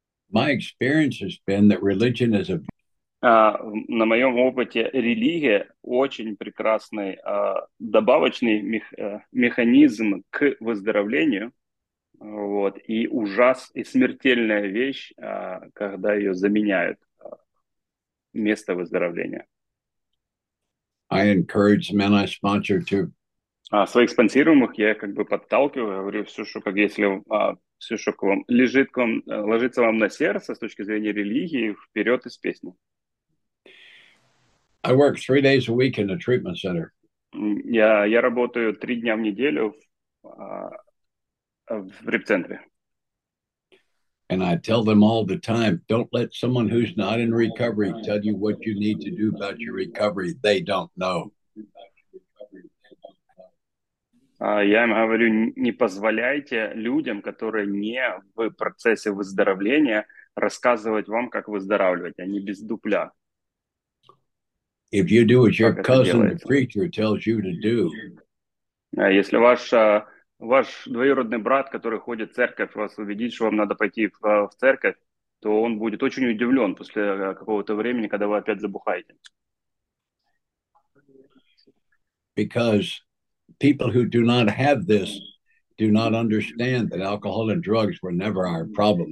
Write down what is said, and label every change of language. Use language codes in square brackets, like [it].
[en] My experience has been that religion is a [ru] На моем опыте религия очень прекрасный добавочный механизм к выздоровлению. Вот, и ужас, и смертельная вещь, когда ее заменяют место выздоровления. [en] I encourage men I sponsor to. [ru] Своих спонсируемых я как бы подталкиваю, говорю, все, что как если все, что к вам лежит к вам, ложится вам на сердце с точки зрения религии, вперед из песни. [en] I work 3 days a week in a treatment center. [ru] Я работаю 3 дня в неделю в реп-центре. [en] And I tell them all the time, don't let someone who's not in recovery tell you what you need to do about your recovery. They don't know. [ru] Я им говорю, не позволяйте людям, которые не в процессе выздоровления, рассказывать вам, как выздоравливать, а не без дупля. [en] If you do what your cousin, the preacher, tells you to do. [ru] Если ваш двоюродный брат, который ходит в церковь, вас убедит, что вам надо пойти в церковь, то он будет очень удивлен после какого-то времени, когда вы опять забухаете. [en] Because people who do not have this do not understand that alcohol and drugs were never our problem.